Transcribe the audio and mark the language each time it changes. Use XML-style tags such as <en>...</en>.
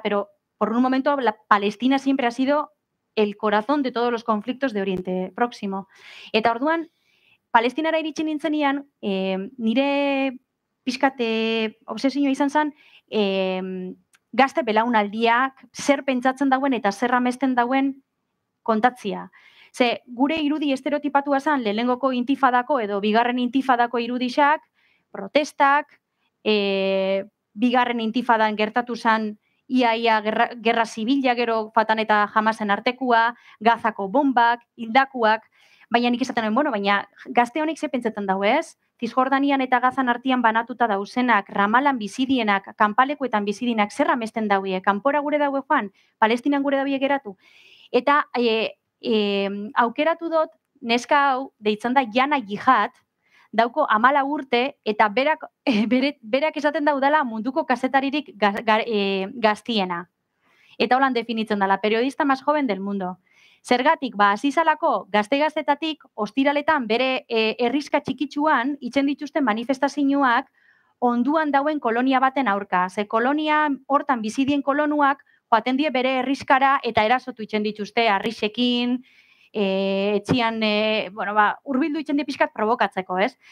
<es>Pero por un momento Palestina siempre ha sido el corazón de todos los conflictos de Oriente Próximo.</es> <eu>Eta orduan, Palestinara iritsi nintzenean, nire pixkate obsesioa izan zen, gazte belaunaldiak zer pentsatzen dauen eta zer amesten dauen kontatzia. Ze, gure irudi estereotipatua zen, lehenengoko intifadako edo bigarren intifadako irudixak, protestak, bigarren intifadan gertatu zen, ia gerra zibila gero Fatan eta Hamasen artekua, Gazako bombak, hildakuak, baina nik esaten nuen, bueno, baina gazte honek ze pentsetan dago, ez? Zizjordanian eta Gazan artian banatuta dauzenak, Ramalan bizidienak, kanpalekuetan bizidienak, zer amesten daue, kanpora gure daue joan, Palestinan gure daue geratu. Eta aukeratu dut, neska hau, deitzen da, Jana Jihad, dauko 14 urte eta berak esaten daudala munduko kazetaririk gaztiena. Eta holan definitzen dela,</eu> <es>periodista más joven del mundo.</es> <eu>Zergatik, ba, azizalako gazte-gaztetatik ostiraletan bere erriska txikitsuan itzen dituzten manifestazioak onduan dauen kolonia baten aurka. Ze kolonia hortan bizidien kolonuak joaten die bere erriskara eta erasotu itzen dituzte arrisekin, etxian, bueno, ba, urbildu itzen die pixkat provokatzeko, ez?</eu>